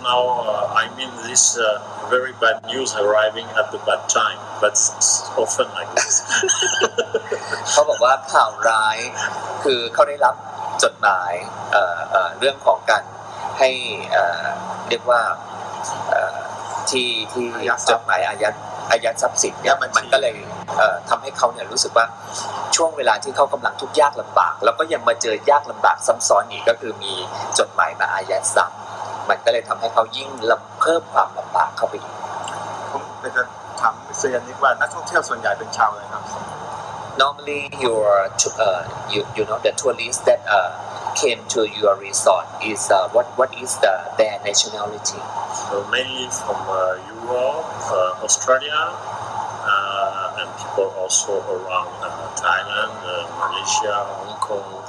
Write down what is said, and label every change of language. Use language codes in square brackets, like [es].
[en] now I mean this very bad news arriving at the bad time but often like this [th] เขาบอกว่าข่าวร้ายคือเขาได้รับจดหมายเรื่องของการให้เรียกว่า ที่จดหมายอายัดทรัพย์สินเนี่ ยมันก็เลยทำให้เขาเนี่ยรู้สึกว่าช่วงเวลาที่เขากำลังทุกข์ยากลำบากแล้วก็ยังมาเจอยากลำบากซ้ำซ้อนอีกก็คือมีจดหมายมาอายัดทรัพย์มันก็เลยทำให้เขายิ่งเพิ่มความลำบากเข้าไปอีก ผมจะถามเซียนนิดว่านักท่องเที่ยวส่วนใหญ่เป็นชาวอะไรครับ [en] Normally, you know, the tourists that came to your resort is what is their nationality? So mainly from Europe, Australia, and people also around Thailand, Malaysia, Hong Kong,